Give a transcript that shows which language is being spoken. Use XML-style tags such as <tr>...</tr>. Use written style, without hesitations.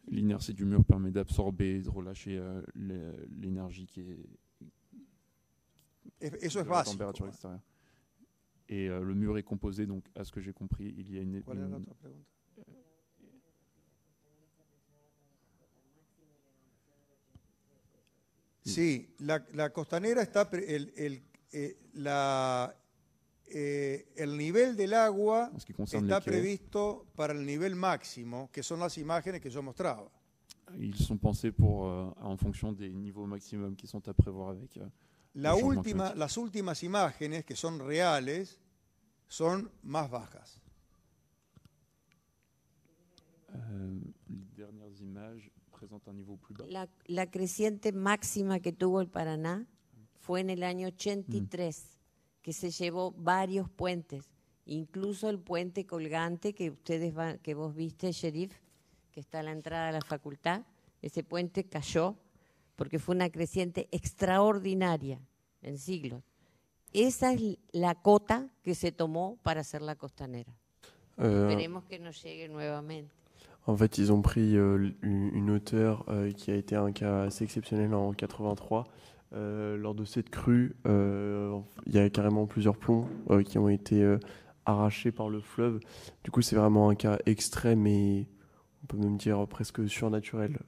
<fr>L'inertie du mur permet d'absorber, de relâcher l'énergie qui est.</fr> <es>Eso es básico. Temperatura exterior.</es> <fr>Et le mur est composé, donc, à ce que j'ai compris, il y a une.</fr> <es>¿Cuál es la otra pregunta? Sí, la costanera está. El nivel del agua está previsto para el nivel máximo, que son las imágenes que yo mostraba.</es> <fr>Ils sont pensés pour en fonction des niveaux maximum qui sont à prévoir avec.</fr> <es>Las últimas imágenes que son reales son más bajas.</es> <fr>Les dernières images présentent un niveau plus bas.</fr> <es>La creciente máxima que tuvo el Paraná fue en el año 83. Que se llevó varios puentes, incluso el puente colgante que ustedes van, que vos viste, Sheriff, que está a la entrada de la facultad, ese puente cayó porque fue una creciente extraordinaria en siglos. Esa es la cota que se tomó para hacer la costanera. Esperemos que nos llegue nuevamente.</es> <fr>En fait, ils ont pris une hauteur qui a été un cas assez exceptionnel en 83. Lors de cette crue, il y a carrément plusieurs ponts qui ont été arrachés par le fleuve. Du coup, c'est vraiment un cas extrême et on peut même dire presque surnaturel.</fr>